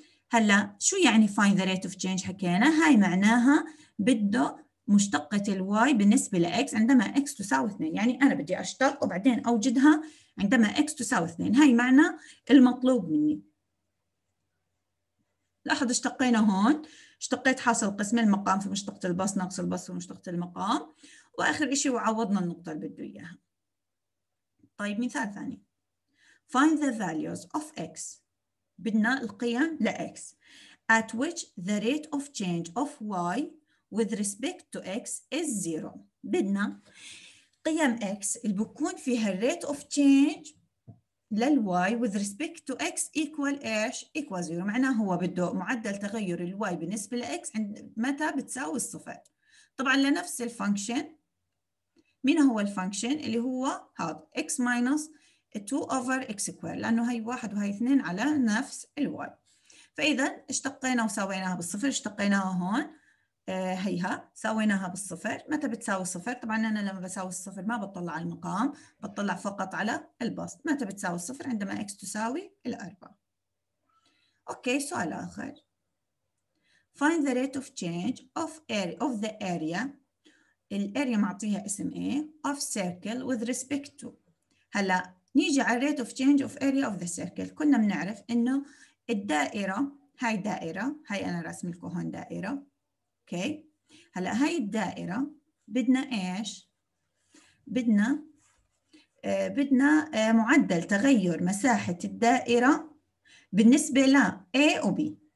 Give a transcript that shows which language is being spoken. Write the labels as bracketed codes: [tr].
[ar] هلا شو يعني [en] find the rate of change؟ [ar] حكينا هاي معناها بده مشتقة ال y بالنسبة ل x عندما x تساوي 2، يعني أنا بدي أشتق وبعدين أوجدها عندما x تساوي 2، هاي معنى المطلوب مني. لاحظ اشتقينا هون، اشتقيت حاصل قسم المقام في مشتقة البص ناقص البص في مشتقة المقام، وآخر إشي وعوضنا النقطة اللي بده إياها. طيب مثال ثاني، [en] find the values of x، [ar] بدنا القيم ل x [en] at which the rate of change of y with respect to x is zero. [ar] بدنا قيم x اللي بكون فيها [en] rate of change [ar] لل y [en] with respect to x equal [ar] ايش؟ [en] equal zero، [ar] معناه هو بده معدل تغير ال y بالنسبه ل x عند متى بتساوي الصفر. طبعا لنفس الفانكشن، مين هو الفانكشن؟ اللي هو هذا [en] x minus 2 over x square، [ar] لانه هي 1 وهي 2 على نفس ال y. فاذا اشتقينا وساويناها بالصفر، اشتقيناها هون هيها سويناها بالصفر، متى بتساوي الصفر؟ طبعا انا لما بساوي الصفر ما بطلع على المقام، بطلع فقط على البسط، متى بتساوي الصفر؟ عندما اكس تساوي الاربعة. اوكي سؤال اخر، [en] find the rate of change of area of the area، [ar] الاريا معطيها اسم [en] A of circle with respect to. [ar] هلا نيجي على [en] rate of change of area of the circle، [ar] كنا بنعرف انه الدائرة، هاي دائرة، هاي انا راسم لكم هون دائرة. اوكي هلا هاي الدائره بدنا ايش؟ بدنا بدنا معدل تغير مساحة الدائرة بالنسبة ل A و B.